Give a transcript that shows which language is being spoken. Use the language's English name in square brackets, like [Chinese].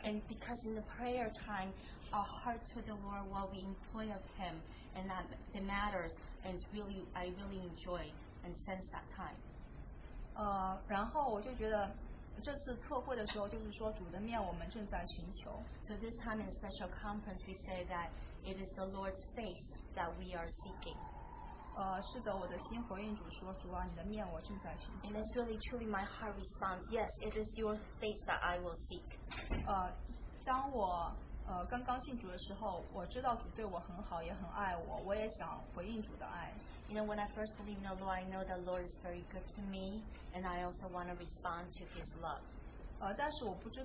[English] And because in the prayer time, our heart to the Lord while we employ of Him, and that the matters, and really, I really enjoy and sense that time. [Chinese] 然后我就觉得这次特会的时候，就是说主的面我们正在寻求。 [English] So this time in special conference, we say that it is the Lord's face that we are seeking. [Chinese] 是的，我的心回应主说，主啊，你的面我正在寻求。 [English] And it's really truly my heart responds, yes, it is your face that I will seek. [Chinese] 当我刚刚信主的时候，我知道主对我很好，也很爱我，我也想回应主的爱。 [English] You know, when I first believed in the Lord, I know the Lord is very good to me, and I also want to respond to His love.